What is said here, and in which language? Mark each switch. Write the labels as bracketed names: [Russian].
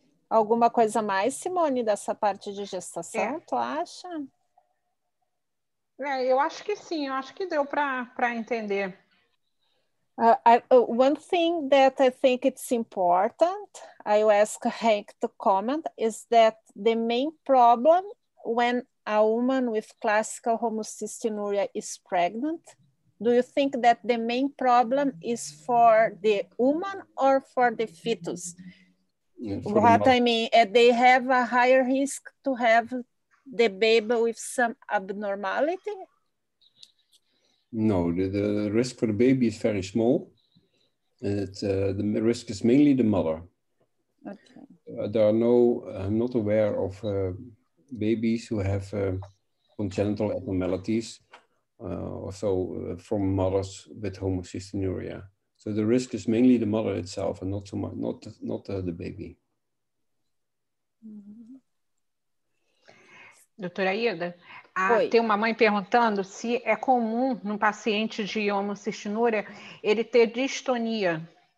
[Portuguese] Alguma coisa mais, Simone, dessa parte de gestação, tu acha? Eu acho que sim, eu acho que deu para entender. [English] One thing that I think it's important, I will ask Hank to comment, is that the main problem when a woman with classical homocystinuria is pregnant, do you think that the main problem is for the woman or for the fetus? I mean, they have a higher risk to have the baby with some abnormality? No, the risk for the baby is very small. The risk is mainly the mother. Okay. I'm not aware of babies who have congenital abnormalities from mothers with homocystinuria. So the risk is mainly the mother itself and not so much, not the baby. [Portuguese] Doutora Ida, tem uma mãe perguntando se é comum num paciente de homocistinúria ele ter distonia.